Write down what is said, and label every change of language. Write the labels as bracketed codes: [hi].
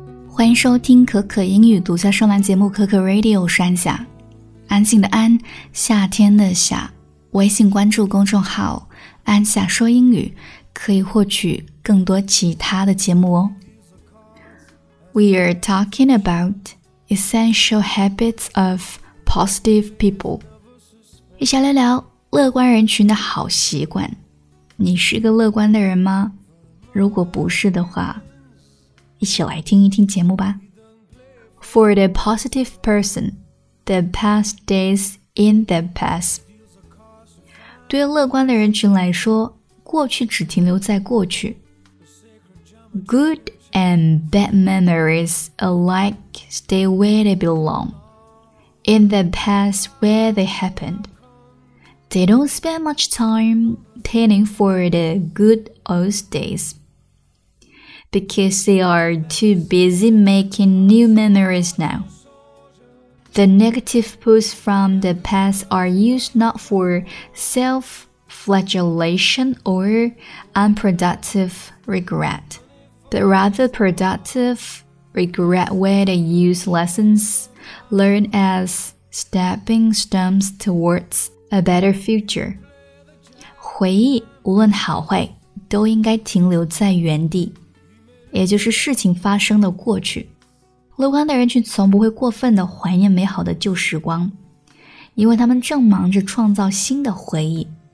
[zh] 欢迎收听可可英语独家上班节目可可 Radio 山下，安静的安，夏天的夏。微信关注公众号安夏说英语，可以获取更多其他的节目哦。 We are talking about essential habits of positive people，一起聊聊乐观人群的好习惯。你是个乐观的人吗？如果不是的话，一起来听一听节目吧。 [en] For the positive person, the past days in the past. 对乐观的人群来说，过去只停留在过去。 Good and bad memories alike stay where they belong. In the past where they happened. They don't spend much time pining for the good old days. Because they are too busy making new memories now. The negative pulls from the past are used not for self-flagellation or unproductive regret, but rather productive regret where they use lessons learned as stepping stones towards a better future. [zh] 回忆无论好坏都应该停留在原地，也就是事情发生的过去。乐观的人群从不会过分地怀念美好的旧时光，因为他们正忙着创造新的回忆。